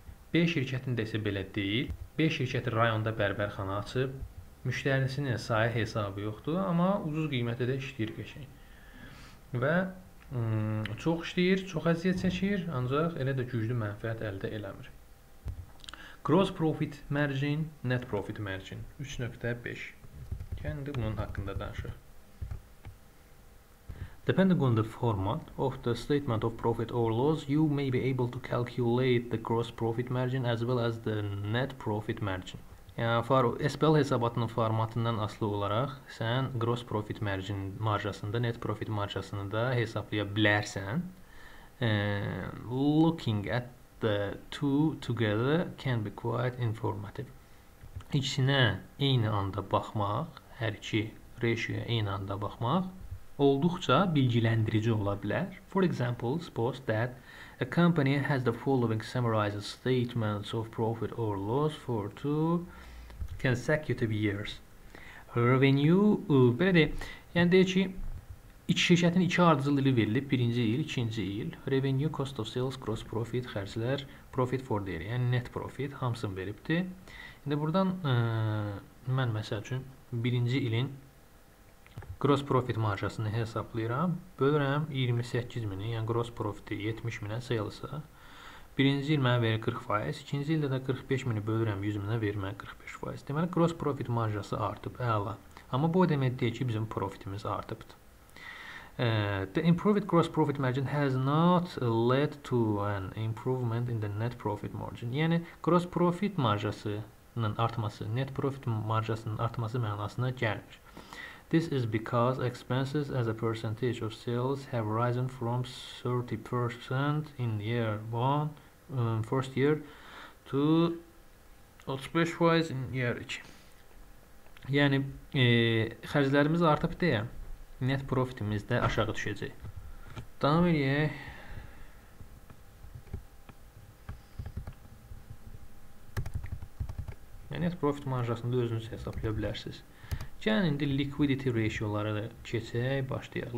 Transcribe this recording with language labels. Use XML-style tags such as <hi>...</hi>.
<az>B şirkətində isə belə deyil. B şirkəti rayonda bərbərxana açıb, müştərisinin sayı hesabı yoxdur, amma ucuz qiymətdə də işləyir qəşəng. Və çox işləyir, çox əziyyət çəkir, ancaq elə də güclü mənfəət əldə eləmir.</az> <en>Gross profit margin, net profit margin 3.5.</en> <az>Kəndi bunun haqqında danışıq.</az> <en>Depending on the format of the statement of profit or loss, you may be able to calculate the gross profit margin as well as the net profit margin.</en> <az>Yəni, SPL hesabatının formatından asılı olaraq, sən gross profit marjasını da, net profit marjasını da hesablaya bilərsən.</az> <en>Looking at the two together can be quite informative.</en> <az>İkisinə eyni anda baxmaq, hər iki ratio-ya eyni anda baxmaq olduqca bilgiləndirici ola bilər.</az> <en>For example, suppose that a company has the following summarized statements of profit or loss for two consecutive years.</en> <az>Revenue, belə deyək, yəni deyək ki, İki şirkətin iki ardıcıl ili verilib, birinci il, ikinci il.</az> <en>Revenue, cost of sales, gross profit,</en> <az>xərclər, profit for deyir, yəni net profit, hamısını veribdir. İndi buradan mən məsəl üçün birinci ilin gross profit marjasını hesablayıram. Bölürəm 28 mini, yəni gross profiti 70 minə sayılsa. Birinci il mənə verir 40%, ikinci ildə də 45 mini bölürəm 100 minə verir mənə 45%. Deməli, gross profit marjası artıb, əla. Amma bu o demək deyir ki, bizim profitimiz artıbdır.</az> <en>The improved gross profit margin has not led to an improvement in the net profit margin.</en> <az>Yəni, gross profit marjasının artması, net profit marjasının artması mənasına gəlmir.</az> <en>This is because expenses as a percentage of sales have risen from 30% in year one, first year to 35% in year 2.</en> <az>Yəni, xərclərimiz artıb deyə. Net profitimiz də aşağı düşəcək. Davam edək. Net profit marjasında özünüz hesablaya bilərsiniz. Gəlin, indi liquidity ratio-ları keçək, başlayaq.</az>